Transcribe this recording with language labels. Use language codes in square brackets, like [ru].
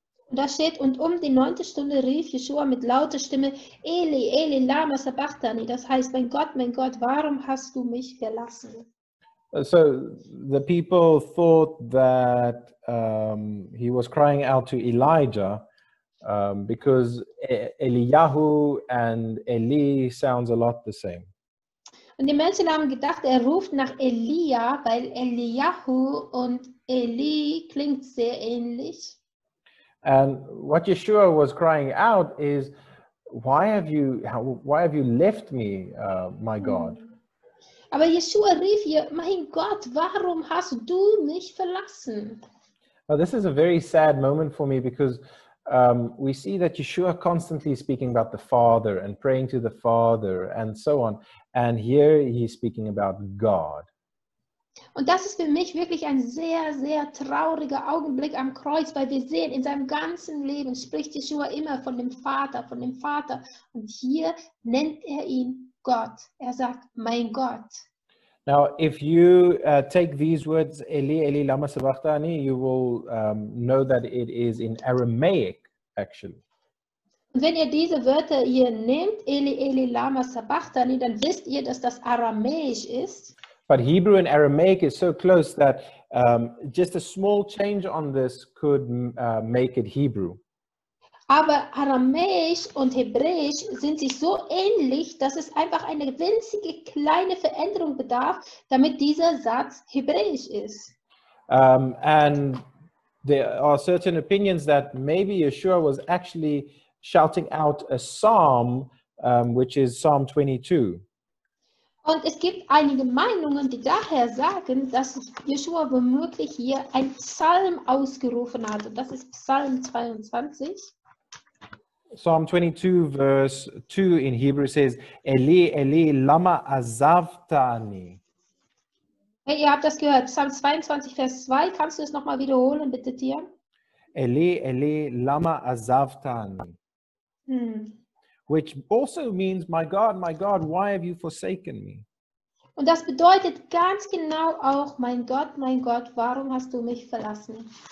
[de] Und da steht, und die neunte Stunde rief Yeshua mit lauter Stimme, [arc] Eli, Eli, lama sabachthani, [de] das heißt, mein Gott, warum hast du mich verlassen? [en] So the people thought that he was crying out to Elijah because Eliyahu and Eli sounds a lot the same. [de] Und die Menschen haben gedacht, ruft nach Elia, weil Eliyahu und Eli klingt sehr ähnlich. [en] And what Yeshua was crying out is, why have you left me, my God? [de] Aber Yeshua rief hier, mein Gott, warum hast du mich verlassen? [en] Well, this is a very sad moment for me because we see that Yeshua constantly speaking about the Father and praying to the Father and so on. And here he's speaking about God. [de] Und das ist für mich wirklich ein sehr, sehr trauriger Augenblick am Kreuz, weil wir sehen, in seinem ganzen Leben spricht Yeshua immer von dem Vater, von dem Vater. Und hier nennt er ihn Gott. Sagt, mein Gott. [en] Now, if you take these words, [arc] Eli, Eli, lama sabachthani, [en] you will know that it is in Aramaic, actually. [de] Und wenn ihr diese Wörter hier nehmt, [arc] Eli, Eli, lama sabachthani, [de] dann wisst ihr, dass das Aramäisch ist. [en] But Hebrew and Aramaic is so close that just a small change on this could make it Hebrew. [de] Aber Aramäisch und Hebräisch sind sich so ähnlich, dass es einfach eine winzige kleine Veränderung bedarf, damit dieser Satz Hebräisch ist. [en] And there are certain opinions that maybe Yeshua was actually shouting out a psalm, which is Psalm 22. [de] Und es gibt einige Meinungen, die daher sagen, dass Yeshua womöglich hier ein Psalm ausgerufen hat. Und das ist Psalm 22. [en] Psalm 22, verse 2 in Hebrew says, [he] Eli, Eli, lama azavtani. [de] Hey, ihr habt das gehört. Psalm 22, Vers 2. Kannst du es nochmal wiederholen, bitte, Tia? [he] Eli, Eli, lama azavtani. [en] Which also means, my God, why have you forsaken me? [de] Und das bedeutet ganz genau auch, mein Gott, warum hast du mich verlassen?